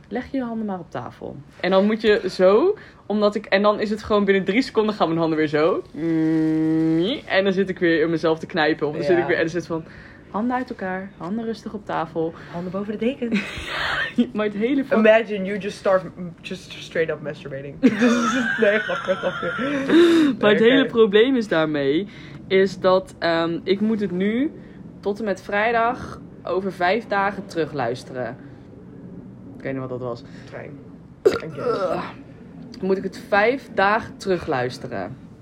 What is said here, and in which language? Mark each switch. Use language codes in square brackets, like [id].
[nl] Leg je handen maar op tafel. En dan moet je zo... Omdat ik, en dan is het gewoon binnen 3 seconden gaan mijn handen weer zo. En dan zit ik weer in mezelf te knijpen. Of dan zit ik weer, en dan zit van... Handen uit elkaar, handen rustig op tafel. Handen boven de deken. Maar het hele van... [en] Imagine you just start straight up masturbating. [nl] Nee, grapje. Maar het hele probleem is daarmee, is dat ik moet het nu tot en met vrijdag over 5 dagen terugluisteren. Ik weet niet wat dat was. Trein. Moet ik het 5 dagen terugluisteren.